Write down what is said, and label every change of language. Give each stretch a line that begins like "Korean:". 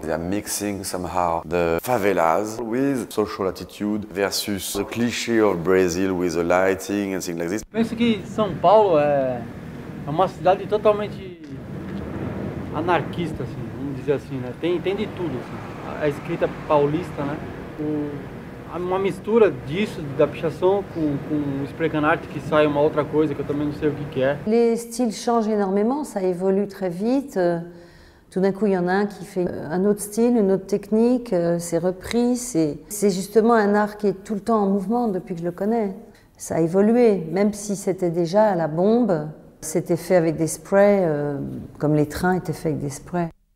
English: They are mixing somehow the favelas with social attitude versus the cliché of Brazil with the lighting and things like this.
Portuguese: Penso que São Paulo é uma cidade totalmente anarquista, assim, vamos dizer assim, né? Tem de tudo, assim. A escrita paulista, né? Uma mistura disso, da pichação com o spray can art, que sai uma outra coisa que eu também não sei o que é.
French: Les styles changent énormément, ça évolue très vite. Tout d'un coup, il y en a un qui fait un autre style, une autre technique, c'est repris. C'est justement un art qui est tout le temps en mouvement depuis que je le connais. Ça a évolué, même si c'était déjà à la bombe. C'était fait avec des sprays, comme les trains étaient faits avec des sprays.